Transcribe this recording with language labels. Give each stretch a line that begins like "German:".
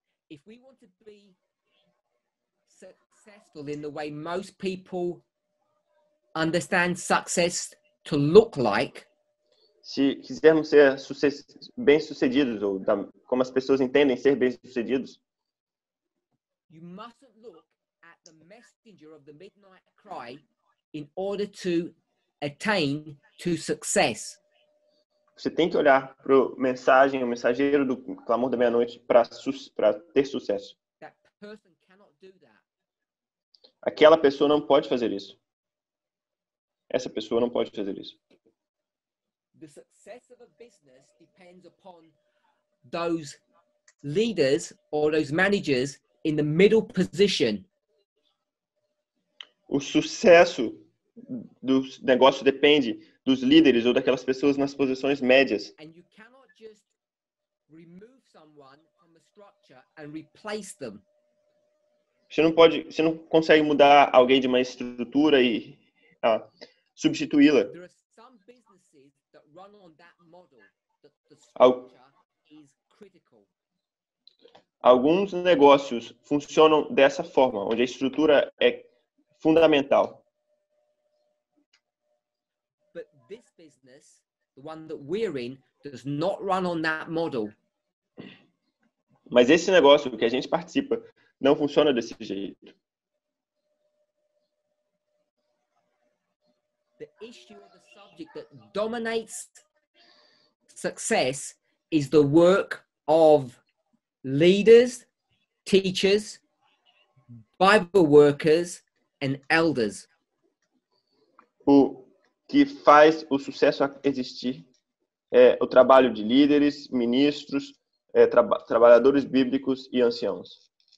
English: If we want to be successful in the way most people understand success to look like,
Portuguese: se quisermos ser bem-sucedidos, ou como as pessoas entendem ser bem-sucedidos,
English: you mustn't look at the messenger of the midnight cry in order to attain to success.
Portuguese: Você tem que olhar para o mensageiro do clamor da meia-noite para ter sucesso.
English: That person cannot do that.
Portuguese: Aquela pessoa não pode fazer isso. Essa pessoa não pode fazer isso.
English: The success of a business depends upon those leaders or those managers in the middle position.
Portuguese: O sucesso do negócio depende dos líderes ou daquelas pessoas nas posições médias.
English: And you cannot just remove someone from the structure and replace them.
Portuguese: Você não consegue mudar alguém de uma estrutura e substituí-la.
English: There are some businesses that run on that model, that the structure is critical.
Portuguese: Alguns negócios funcionam dessa forma, onde a estrutura é fundamental.
English: This business, the one that we're in, does not run on that model.
Portuguese: Mas esse negócio que a gente participa não funciona desse jeito.
English: The issue of the subject that dominates success is the work of leaders, teachers, Bible workers, and elders.
Portuguese: O que faz o sucesso existir é o trabalho de líderes, ministros, trabalhadores bíblicos e anciãos.